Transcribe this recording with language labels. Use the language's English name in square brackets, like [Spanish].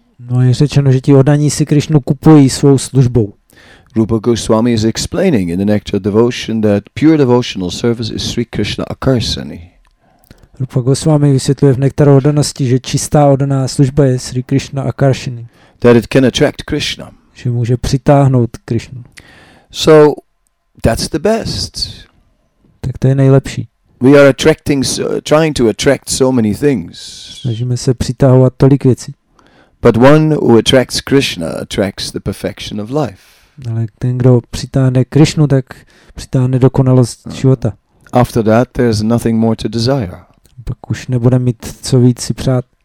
[Czech] No je řečeno, že ti oddaní si Krishnu kupují svou službou. [English] Rupa Goswami is explaining in the Nectar Devotion that pure devotional service is Sri Krishna Akarsani. [Czech] Rupa Goswami vysvětluje v Nektaru oddanosti, že čistá oddaná služba je Sri Krishna Akarsani. [English] That it can attract Krishna. [Czech] Že může přitáhnout Krishnu. [English] So that's the best. [Czech] Tak to je nejlepší. [English] We are attracting, trying to attract so many things. [Czech] Snažíme se přitahovat tolik věcí. [English] But one who attracts Krishna attracts the perfection of life. [Czech] Ale ten, kdo přitáhne Krishnu, tak přitáhne dokonalost života. [English] After that, there's nothing more to desire. [Czech] Pak už nebude mít co víc si přát.